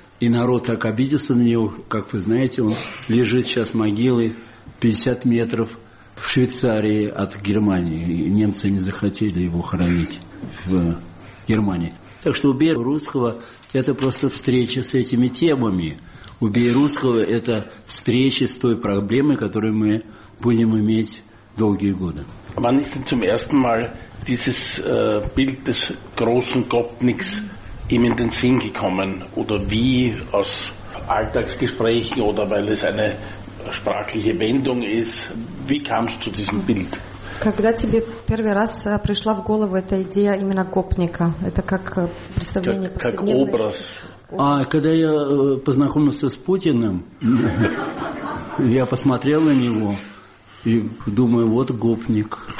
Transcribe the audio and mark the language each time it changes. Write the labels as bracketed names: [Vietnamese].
[Russian] И народ так обиделся на него, как вы знаете, он лежит сейчас в могиле 50 метров в Швейцарии от Германии. И немцы не захотели его хоронить в Германии. Так что «Убей русского» – это просто встреча с этими темами. «Убей русского» – это встреча с той проблемой, которую мы будем иметь долгие годы. [German] Wann ist denn zum ersten Mal dieses Bild des großen Gopniks ihm in den Sinn gekommen? Oder wie, aus Alltagsgesprächen oder weil es eine sprachliche Wendung ist? Wie kamst du zu diesem Bild? [Russian] Когда тебе первый раз пришла в голову эта идея именно гопника? Это как представление повседневной... Как образ. А, когда я познакомился с Путиным, я посмотрел на него и думаю, вот гопник.